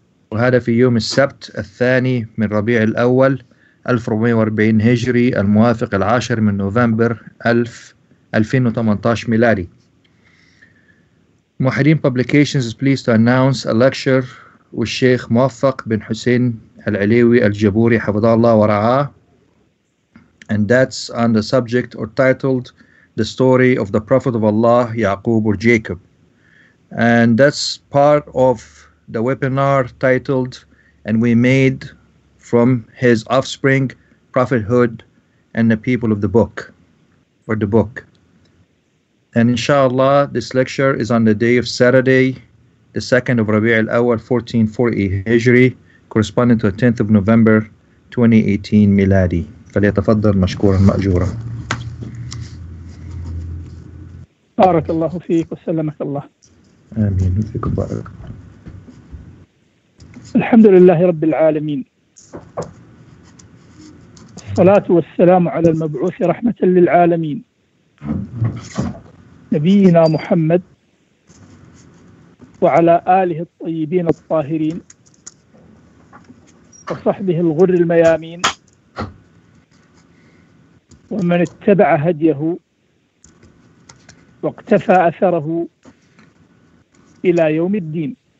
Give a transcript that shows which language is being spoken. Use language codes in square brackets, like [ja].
[ar] وهذا في يوم السبت الثاني من ربيع الأول 1440 هجري الموافق 10 من نوفمبر 2018 ميلادي. موحدين [en] Publications is pleased to announce a lecture [ar] والشيخ موفق بن حسين العليوي الجبوري حفظه الله ورعاه. [en] And that's on the subject or titled The Story of the Prophet of Allah, Yaqub or Jacob. And that's part of the webinar titled And We Made From His Offspring, Prophethood and the People of the Book, or the Book. And inshallah, this lecture is on the day of Saturday, the 2nd of Rabi' al-Awwal, 1440 Hijri, corresponding to the 10th of November, 2018 Miladi. [ar] فليتفضل مشكورا مأجورا. بارك الله فيك وسلمك الله. آمين فيك بارك. الحمد لله رب العالمين، الصلاة والسلام على المبعوث رحمة للعالمين نبينا محمد وعلى آله الطيبين الطاهرين وصحبه الغر الميامين ومن اتبع هديه واقتفى أثره إلى يوم الدين.